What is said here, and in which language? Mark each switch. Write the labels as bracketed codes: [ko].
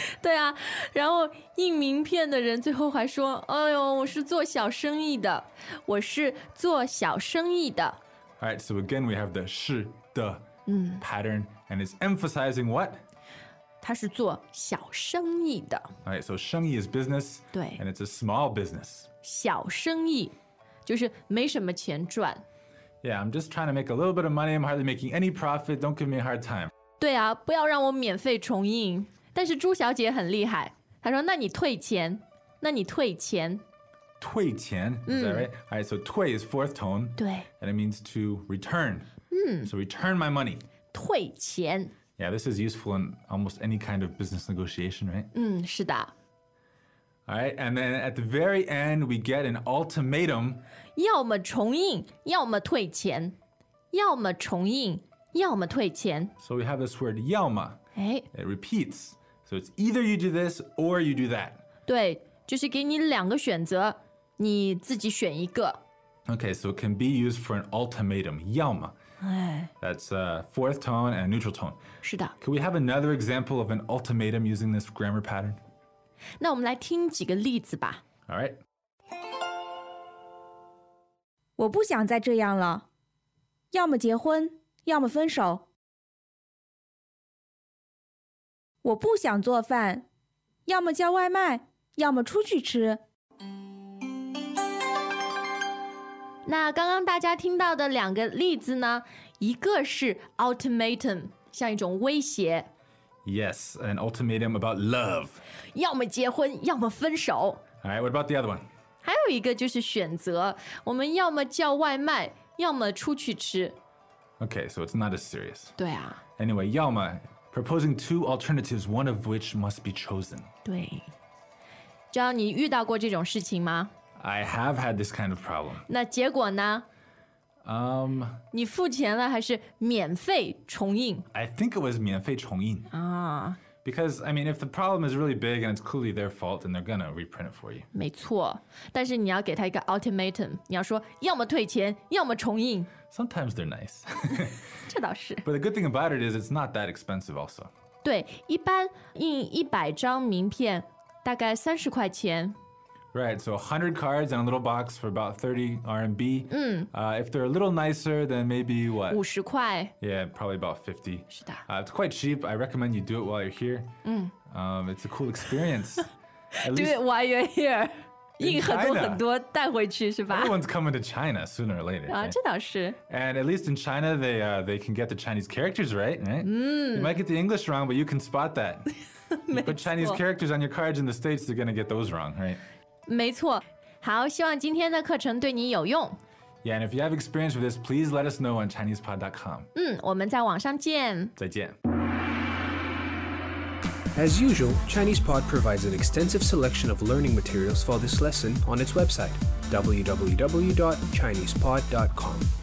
[zh] 对啊，然后印名片的人最后还说：“哎呦，我是做小生意的，我是做小生意的。” [en] All right, so again we have the 是的pattern, and it's emphasizing what? [zh] 他是做小生意的。 [en] All right, so 生意 is business. [zh] 对。 [en] And it's a small business. [zh] 小生意就是没什么钱赚。 [en] Yeah, I'm just trying to make a little bit of money. I'm hardly making any profit. Don't give me a hard time. [zh] 对啊，不要让我免费重印。但是朱小姐很厉害。她说，那你退钱。那你退钱。 [en] 退钱。Is that right? All right, so 退 is fourth tone. [zh] 对。 [en] And it means to return. So return my money. [zh] 退钱。 [en] Yeah, this is useful in almost any kind of business negotiation, right? [zh] 是的。 [en] All right, and then at the very end, we get an ultimatum. [zh] 要么重印，要么退钱。要么重印，要么退钱。 [en] So we have this word 要么。哎。 It repeats. So it's either you do this or you do that. [zh] 对，就是给你两个选择，你自己选一个。 [en] Okay, so it can be used for an ultimatum, 要么。 That's a fourth tone and a neutral tone. [zh] 是的。 [en] Can we have another example of an ultimatum using this grammar pattern? [zh] 那我们来听几个例子吧。 [en] All right. [zh] 我不想再这样了。要么结婚，要么分手。我不想做饭，要么叫外卖，要么出去吃。那刚刚大家听到的两个例子呢，一个是 ultimatum， 像一种威胁。 [en] Yes, an ultimatum about love. [zh] 要么结婚，要么分手。 [en] All right, what about the other one? [zh] 还有一个就是选择，我们要么叫外卖，要么出去吃。 [en] Okay, so it's not as serious. [zh] 对啊。 [en] Anyway, 要么 proposing two alternatives, one of which must be chosen. [zh] 对。 John，你遇到过这种事情吗？ [en] I have had this kind of problem. [zh] 那结果呢？你付钱了还是免费重印？ [en] I think it was [zh] 免费重印。 [en] Because, I mean, if the problem is really big and it's clearly their fault, then they're gonna reprint it for you. [zh] 没错，但是你要给他一个 ultimatum, 你要说要么退钱，要么重印。 [en] Sometimes they're nice. [zh] 这倒是。 [en] But the good thing about it is it's not that expensive also. [zh] 对，一般印100张名片，大概30块钱。 [en] Right, so 100 cards and a little box for about 30 RMB. If they're a little nicer, then maybe what? [zh] 50块. [en] Yeah, probably about 50. [zh] 是的。 [en] It's quite cheap. I recommend you do it while you're here. It's a cool experience. do it while you're here. [zh] 印很多很多带回去是吧 [en] Everyone's coming to China sooner or later [zh] 啊，这倒是 [en] And at least in China they can get the Chinese characters right, right? You might get the English wrong but you can spot that You put Chinese characters on your cards in the States they're gonna get those wrong, right? [zh] 没错好希望今天的课程对你有用 [en] Yeah, and if you have experience with this please let us know on ChinesePod.com [zh] 我们在网上见再见 [en] As usual, ChinesePod provides an extensive selection of learning materials for this lesson on its website, www.chinesepod.com.